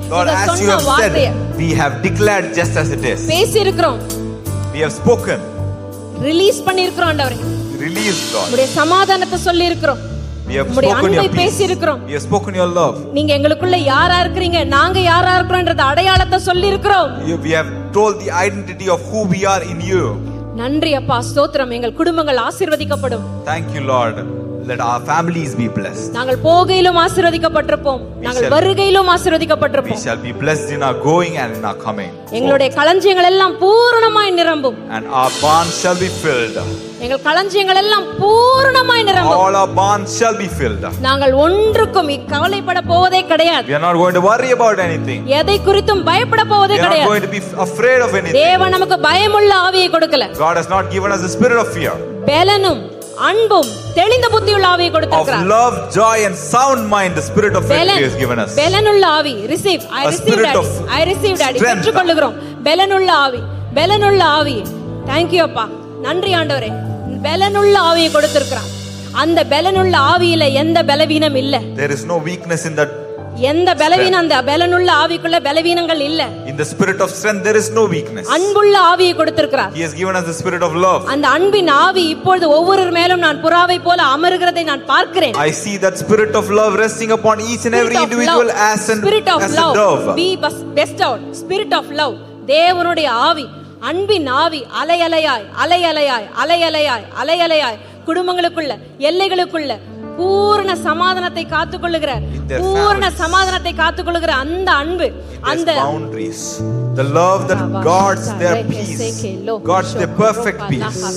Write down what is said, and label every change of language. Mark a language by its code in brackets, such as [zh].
[en] God, as you have said, we have declared just as it is. [ta] பேசிருக்கோம். [en] We have spoken. [ta] Release பண்ணிருக்கோம் ஆண்டவரே. [en] Release, God. [ta] நம்முடைய சமாதானத்தை சொல்லி இருக்கோம். [en] We have spoken your peace. [ta] பேசிருக்கோம். [en] We have spoken your love. [ta] நீங்க எங்களுக்குள்ள யாரா இருக்கீங்க, நாங்க யாரா இருக்கோம்ன்றது அடையாளத்தை சொல்லி இருக்கோம். [en] We have told the identity of who we are in you. [ta] நன்றி அப்பா, ஸ்தோத்திரம். எங்கள் குடும்பங்கள் ஆசீர்வதிக்கப்படும். [en] Thank you, Lord. Let our families be blessed. [ta] நாங்கள் போகையிலும் ஆசீர்வதிக்கப்பட்டிருப்போம், நாங்கள் வருகையிலும் ஆசீர்வதிக்கப்பட்டிருப்போம். [en] We shall be blessed in our going and in our coming. [ta] எங்களுடைய களஞ்சியங்கள் எல்லாம் பூரணமாய் நிரம்பும். [en] And our barns shall be filled. [ta] எங்கள் களஞ்சியங்கள் எல்லாம் பூரணமாய் நிரம்பும். [en] All our barns shall be filled. [ta] நாங்கள் ஒன்றுக்கும் கவலைப்பட போவதே கிடையாது. [en] We are not going to worry about anything. [ta] எதை குறித்தும் பயப்பட போவதே கிடையாது. [en] We are not going to be afraid of anything. [ta] தேவன் நமக்கு பயமுள்ள ஆவியை கொடுக்கல. [en] God has not given us a spirit of fear. [ta] பலனும் அன்பும் தெளிந்த புத்தியுள்ள ஆவி கொடுத்திருக்கிறார். [en] Of love, joy and sound mind, the spirit of faith he has given us. [ta] பலனுள்ள ஆவி, [en] receive. I receive that. I receive that. [ta] பெற்றுக் கொள்ளுகிறோம். பலனுள்ள ஆவி, பலனுள்ள ஆவி. [en] Thank you [ta] அப்பா, நன்றி ஆண்டவரே. பலனுள்ள ஆவி கொடுத்திருக்கிறார். அந்த பலனுள்ள ஆவியில எந்த பலவீனம் இல்ல. [en] There is no weakness in that. [ta] எந்த பலவீனம் அந்த பலனுள்ள ஆவிக்குள்ள பலவீனங்கள் இல்ல. [en] In the spirit of strength there is no weakness. [ta] அன்புள்ள ஆவியை கொடுத்திருக்கிறார். [en] He has given us the spirit of love. [ta] அந்த அன்பின் ஆவி இப்பொழுது ஒவ்வொரு மேலும் நான் புறாவை போல அமருகிறதை நான் பார்க்கிறேன். [en] I see that spirit of love resting upon each and every individual as an spirit of love. Dove. Be bestowed. Spirit of love. [ta] தேவனுடைய ஆவி, அன்பின் ஆவி அலையலையாய் அலையலையாய் அலையலையாய் அலையலையாய் குடும்பங்களுக்குள்ள எல்லைகளுக்குள்ள பூர்ண சமாதானத்தை காத்துக் கொள்ளுகிற, பூர்ண சமாதானத்தை காத்துக் கொள்ளுகிற அந்த அன்பு, அந்த [en] boundaries, the love that guards their peace, guards their perfect peace,